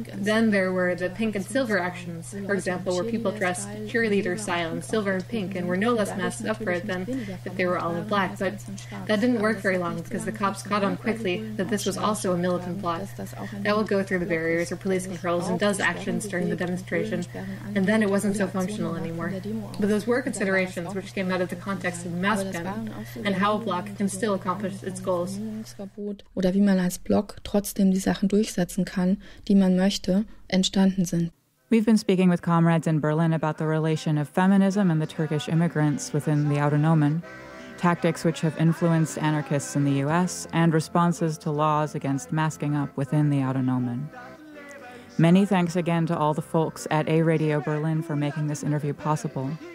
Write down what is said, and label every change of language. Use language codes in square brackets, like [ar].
[en] Then there were the pink and silver actions, for example, where people dressed cheerleader style in silver and pink and were no less masked up for it than if they were all in black, but that didn't work very long because the cops caught on quickly that this was also a militant plot that will go through the barriers or police control and does actions during the demonstration, and then it wasn't so functional anymore. But those were considerations which came out of the context of the mask ban and how a bloc can still accomplish its goals. [de] Oder wie man als Block trotzdem die Sachen durchsetzen kann, die man möchte, entstanden sind. [en] We've been speaking with comrades in Berlin about the relation of feminism and the Turkish immigrants within the Autonomen, tactics which have influenced anarchists in the U.S., and responses to laws against masking up within the Autonomen. Many thanks again to all the folks at A-Radio Berlin for making this interview possible.